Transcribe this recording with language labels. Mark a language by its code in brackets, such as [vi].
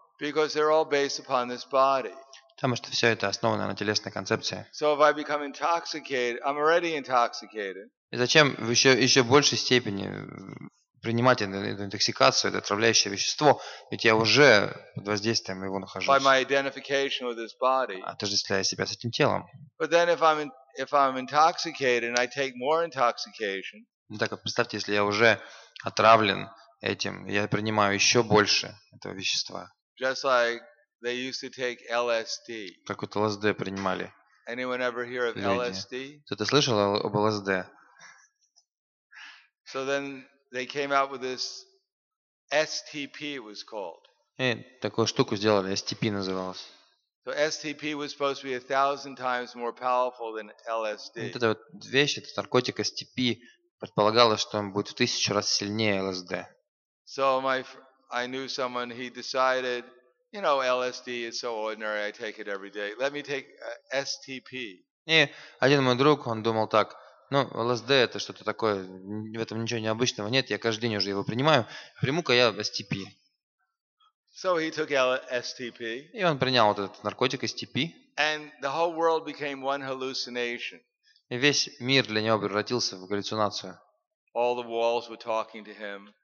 [en] Because they're all based upon this body. [ru] Потому что все это основано на телесной концепции. [en] So if I become intoxicated, I'm already intoxicated. [ru] И зачем в еще большей степени принимать эту интоксикацию, это отравляющее вещество, ведь я уже под воздействием его нахожусь. [en] By my identification with this body. [ru] Отождествляя себя с этим телом. [en] But then if I'm intoxicated and I take more intoxication. [ru] Так вот, представьте, если я уже отравлен этим, я принимаю еще больше этого вещества. [en] Just like they used to take LSD. [ru] Как вот ЛСД принимали. [en] Anyone ever hear of LSD? [ru] Кто-то слышал об ЛСД? [en] So then they came out with this STP, it was called. [ru] И такую штуку сделали, STP называлось. [en] So STP was supposed to be 1,000 times more powerful than LSD. [ru] Вот эта вот вещь, этот наркотик STP, предполагалось, что он будет в 1000 раз сильнее ЛСД. [en] So I knew someone, he decided, you know, LSD is so ordinary, I take it every day. Let me take STP. [ru] И один мой друг, он думал так, ну, ЛСД это что-то такое, в этом ничего необычного нет, я каждый день уже его принимаю, приму-ка я STP. [en] So he took STP. [ru] И он принял вот этот наркотик STP. [en] And the whole world became one hallucination. [ru] И весь мир для него превратился в галлюцинацию. [en] All the walls were talking to him.